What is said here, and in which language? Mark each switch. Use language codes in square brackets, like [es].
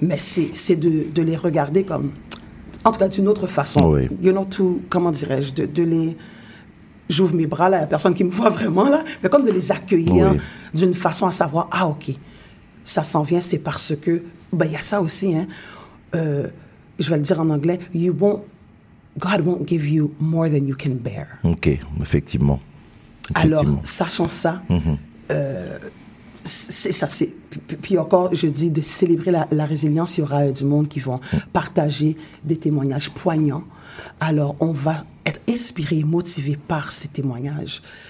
[fr] Mais c'est de les regarder comme, en tout cas, d'une autre façon. Oui. [en] You know, to, [fr] comment dirais-je, de les... J'ouvre mes bras, là, la personne qui me voit vraiment, là, mais comme de les accueillir, oui, d'une façon à savoir, ah, OK, ça s'en vient, c'est parce que... Ben, il y a ça aussi, hein. Je vais le dire en anglais, [en] you won't... God won't give you more than you can bear. [fr] OK, effectivement. Alors, sachant ça, c'est ça. C'est, puis encore, je dis de célébrer la résilience, il y aura du monde qui vont partager des témoignages poignants. Alors, on va être inspiré, motivé par ces témoignages.